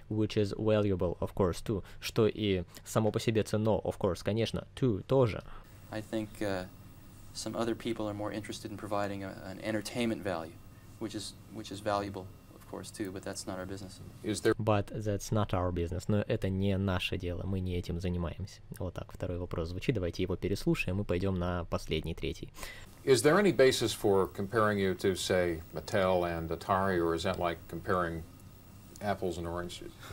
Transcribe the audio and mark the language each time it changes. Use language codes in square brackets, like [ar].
[en] Which is valuable, of course, too, [ru] что и само по себе ценно, [en] of course, [ru] конечно, [en] too, [ru] тоже. [en] I think... Some other people are more interested in providing an entertainment value, which is valuable, of course, too, but that's not our business. But that's not our business. [ru] Но это не наше дело, мы не этим занимаемся. Вот так второй вопрос звучит, давайте его переслушаем и пойдем на последний, третий. [en] Is there any basis for comparing you to, say, Mattel and Atari, or is that like comparing apples and oranges?